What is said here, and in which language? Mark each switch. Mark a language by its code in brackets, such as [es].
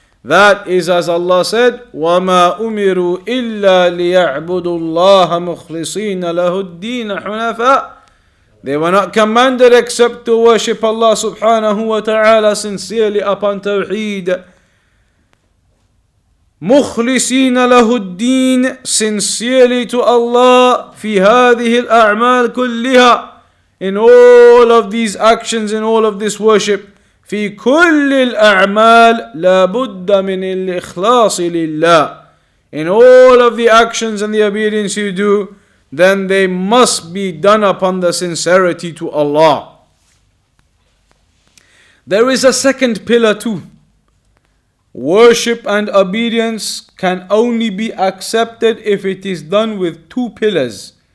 [en] That is, as Allah said, [ar] وَمَا أُمِرُوا إِلَّا لِيَعْبُدُوا اللَّهَ مُخْلِصِينَ لَهُ الدِّينَ حُنَفَاءَ. [en] They were not commanded except to worship Allah subhanahu wa ta'ala sincerely upon tawheed. [ar] مخلصين له الدين, [en] sincerely to Allah, [ar] في هذه الأعمال كلها, [en] in all of these actions, in all of this worship, [ar] في كل الأعمال لا بد من الإخلاص لله. [en] In all of the actions and the obedience you do, then they must be done upon the sincerity to Allah. There is a second pillar too. Worship and obedience can only be accepted if it is done with two pillars.